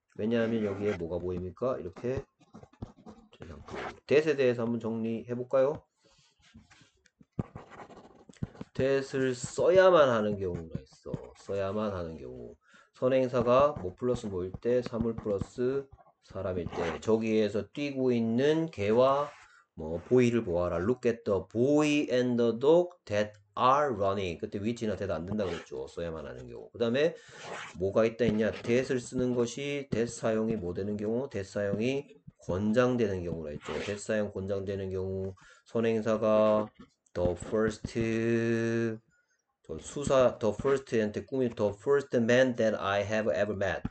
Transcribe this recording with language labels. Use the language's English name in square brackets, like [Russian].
[Korean] 왜냐하면 여기에 뭐가 보입니까? 이렇게 that에 대해서 한번 정리해 볼까요? that을 써야만 하는 경우가 있어. 써야만 하는 경우. 선행사가 뭐 플러스 뭐일 때, 사물 플러스 사람일 때, 저기에서 뛰고 있는 개와 뭐 보이를 보아라. [English] Look at the boy and the dog that are running. [Korean] 그때 which나 that 안 된다고 그랬죠. 써야만 하는 경우. 그 다음에 뭐가 있다 했냐. that을 쓰는 것이 that 사용이 뭐 되는 경우? that 사용이 권장되는 경우라 했죠. that 사용 권장되는 경우 선행사가 [English] the first한테 꿈이 the first man that I have ever met.